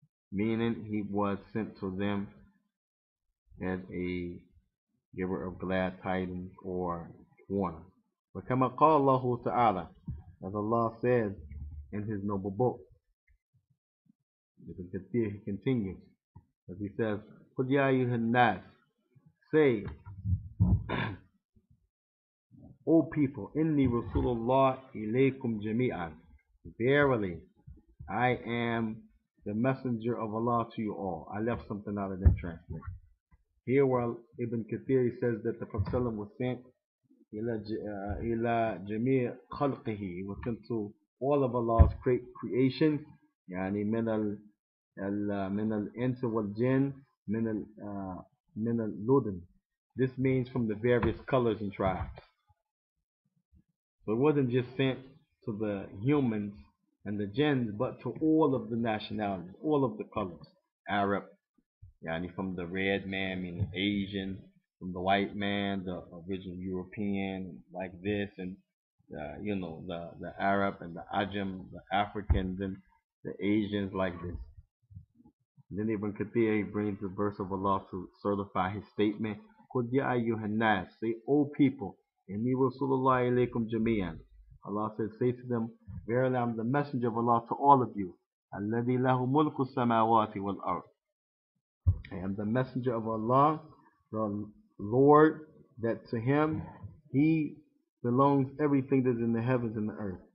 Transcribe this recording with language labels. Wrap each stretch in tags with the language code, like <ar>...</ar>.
<en>Meaning he was sent to them as a giver of glad tidings or warning. But</en> <ar>كما قال الله تعالى,</ar> <en>as Allah says in His noble book, Ibn Kathir, He continues. As he says,</en> <ar>قُلْ يَا أَيُّهَا النَّاسِ,</ar> <en>say, O people,</en> <ar>إِنِّي رَسُولُ اللَّهِ إِلَيْكُمْ جَمِيعًا.</ar> <en>Verily, I am the messenger of Allah to you all. I left something out of that translation. Here where Ibn Kathir says that the Prophet ﷺ was sent</en> <ar>إِلَى جَمِيعِ خَلْقِهِ,</ar> <en>he was sent to all of Allah's creation,</en> <ar>يعني من ال من الانس والجن من اللودن.</ar> <en>This means from the various colors and tribes. So it wasn't just sent to the humans and the jinns, but to all of the nationalities, all of the colors. Arab, from the red man, meaning Asian, from the white man, the original European, like this, and the Arab and the Ajam, the Africans and the Asians, like this. Then Ibn Kathir, he brings the verse of Allah to certify his statement.</en> <ar>قُلْ يَا أَيُّهَا النَّاسِ,</ar> <en>say, O people,</en> <ar>إِنِّي رَسُولُ اللَّهِ إِلَيْكُمْ جَمِيعًا.</ar> <en>Allah says, say to them, verily I'm the messenger of Allah to all of you.</en> <ar>الَّذِي لَهُ مُلْكُ السَّمَاوَاتِ وَالْأَرْضِ.</ar> <en>I am the messenger of Allah, the Lord, that to Him, He belongs everything that is in the heavens and the earth.</en>